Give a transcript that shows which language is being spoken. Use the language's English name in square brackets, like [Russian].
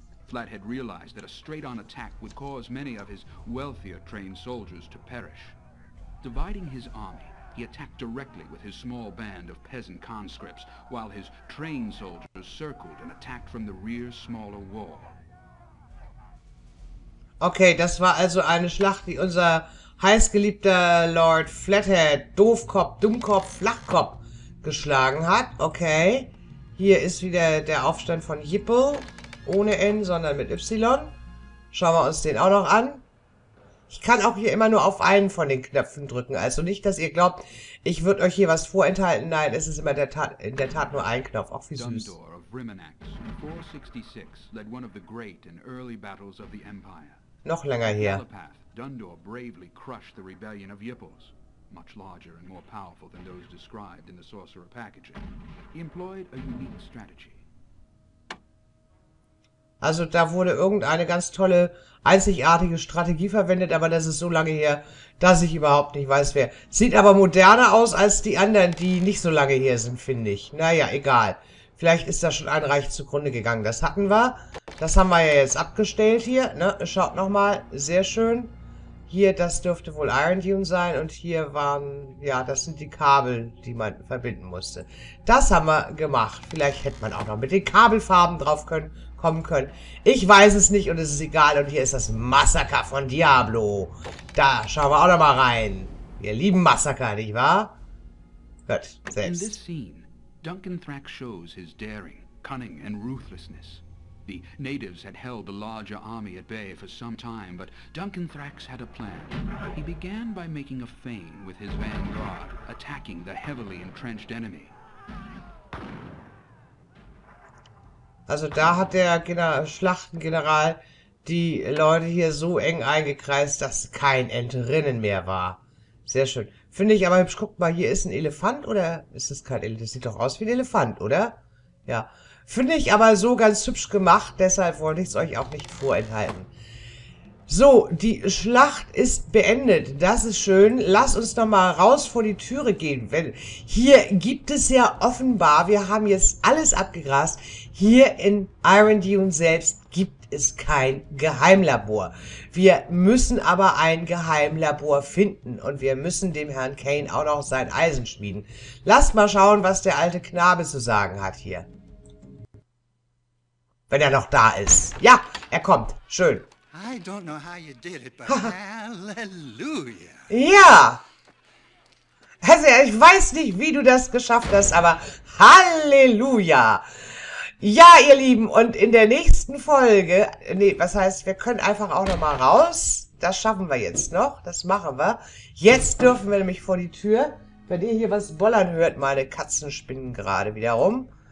[English] Flathead realized that a straight-on attack would cause many of his wealthier trained soldiers to perish. Dividing his army, he attacked directly with his small band of peasant conscripts, while his trained soldiers circled and attacked from the rear smaller wall. [German] Okay, das war also eine Schlacht, die unser heißgeliebter Lord Flathead, Doofkopf, Dummkopf, Flachkopf, geschlagen hat. Okay, hier ist wieder der Aufstand von Yippel, ohne N, sondern mit Y. Schauen wir uns den auch noch an. Ich kann auch hier immer nur auf einen von den Knöpfen drücken. Also nicht, dass ihr glaubt, ich würde euch hier was vorenthalten. Nein, es ist immer in der Tat nur ein Knopf. Auch wie süß. [English] Dundor of Rimanax, 466, led one of the great and early battles of the Empire. [German] Noch länger her. [English] Telepath, Dundor bravely crushed the rebellion of Yipples, much larger and more powerful than those described in the Sorcerer packaging. He employed a unique strategy. [German] Also da wurde irgendeine ganz tolle, einzigartige Strategie verwendet, aber das ist so lange her, dass ich überhaupt nicht weiß, wer. Sieht aber moderner aus als die anderen, die nicht so lange her sind, finde ich. Naja, egal. Vielleicht ist da schon ein Reich zugrunde gegangen. Das hatten wir. Das haben wir ja jetzt abgestellt hier. Ne? Schaut nochmal. Sehr schön. Hier, das dürfte wohl Iron Dune sein. Und hier waren, ja, das sind die Kabel, die man verbinden musste. Das haben wir gemacht. Vielleicht hätte man auch noch mit den Kabelfarben drauf können. Kommen können. Ich weiß es nicht und es ist egal. Und hier ist das Massaker von Diablo. Da schauen wir auch noch mal rein. Wir lieben Massaker, nicht wahr? Gut, selbst. [English] In this scene, Duncan Thrax shows his daring, cunning and ruthlessness. The natives had held the larger army at bay for some time, but Duncan Thrax had a plan. He began by making a feint with his vanguard, attacking the heavily entrenched enemy. [German] Also da hat der Schlachtengeneral die Leute hier so eng eingekreist, dass kein Entrinnen mehr war. Sehr schön. Finde ich aber hübsch. Guck mal, hier ist ein Elefant oder ist es kein Elefant? Das sieht doch aus wie ein Elefant, oder? Ja. Finde ich aber so ganz hübsch gemacht, deshalb wollte ich es euch auch nicht vorenthalten. So, die Schlacht ist beendet. Das ist schön. Lass uns noch mal raus vor die Türe gehen. Hier gibt es ja offenbar, wir haben jetzt alles abgegrast, hier in Iron Dune selbst gibt es kein Geheimlabor. Wir müssen aber ein Geheimlabor finden und wir müssen dem Herrn Kane auch noch sein Eisen schmieden. Lasst mal schauen, was der alte Knabe zu sagen hat hier. Wenn er noch da ist. Ja, er kommt. Schön. [English] I don't know how you did it, but hallelujah. [German] Ja. Also, ich weiß nicht, wie du das geschafft hast, aber Halleluja. Ja, ihr Lieben, und in der nächsten Folge, nee, was heißt, wir können einfach auch nochmal raus. Das schaffen wir jetzt noch, das machen wir. Jetzt dürfen wir nämlich vor die Tür. Wenn ihr hier was bollern hört, meine Katzen spinnen gerade wieder rum.